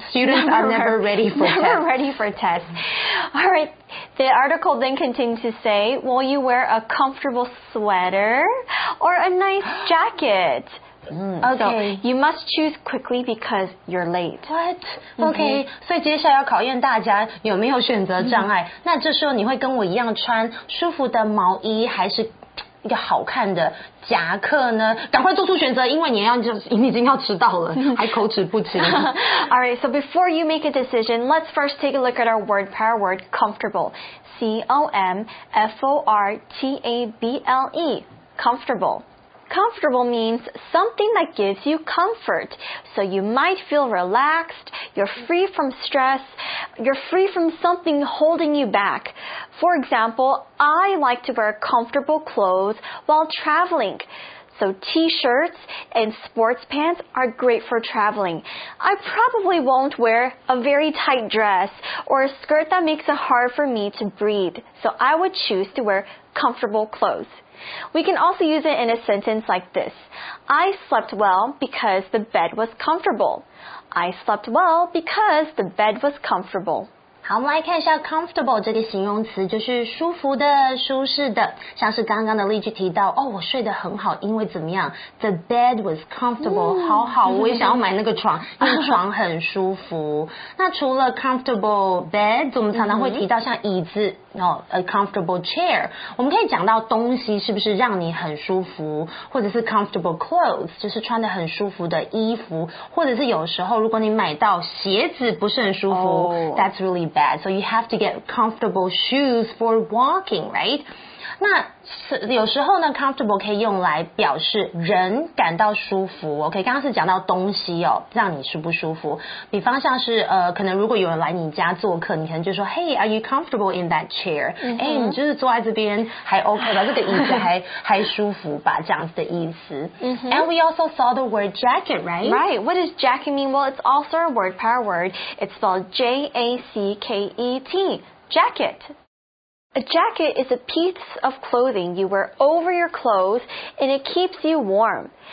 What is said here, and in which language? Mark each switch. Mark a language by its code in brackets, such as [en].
[en] Students never, are never ready for test. Never ready for test. All right. The article then continues to say, will you wear a comfortable sweater or a nice jacket? Okay. So, you must choose quickly because you're late. What? Okay. Mm-hmm. [zh] 所以接下来要考验大家有没有选择障碍。 Mm-hmm. 那这时候你会跟我一样穿舒服的毛衣还是一个好看的夹克呢？赶快做出选择，因为你要就你已经要迟到了，还口齿不清。 [en] All right. So before you make a decision, let's first take a look at our word pair word comfortable. C-O-M-F-O-R-T-A-B-L-E. Comfortable. Comfortable means something that gives you comfort. So you might feel relaxed, you're free from stress, you're free from something holding you back. For example, I like to wear comfortable clothes while traveling. So t-shirts and sports pants are great for traveling. I probably won't wear a very tight dress or a skirt that makes it hard for me to breathe. So I would choose to wear comfortable clothes. We can also use it in a sentence like this. I slept well because the bed was comfortable. I slept well because the bed was comfortable. [zh] 好，我们来看一下 comfortable 这个形容词，就是舒服的、舒适的。像是刚刚的例句提到，哦，我睡得很好，因为怎么样？ [en] The bed was comfortable. [zh] 好好，我也想要买那个床，因为床很舒服。那除了 comfortable beds， 我们常常会提到像椅子。 [en] No, a comfortable chair. [zh] 我们可以讲到东西是不是让你很舒服，或者是 comfortable clothes， 就是穿得很舒服的衣服，或者是有时候如果你买到鞋子不是很舒服、oh. [en] That's really bad. So you have to get comfortable shoes for walking, right? [zh] 那有时候呢 comfortable 可以用来表示人感到舒服 OK 刚刚是讲到东西哦让你舒不舒服比方像是可能如果有人来你家做客你可能就说 [en] Hey are you comfortable in that chair [zh] 哎、mm-hmm. 你就是坐在这边还 OK 吧这个椅子还舒服吧这样子的意思、 mm-hmm. [en] And we also saw the word jacket right? Right what does jacket mean? Well it's also a word pair word It's spelled J-A-C-K-E-T JacketA jacket is a piece of clothing you wear over your clothes and it keeps you warm.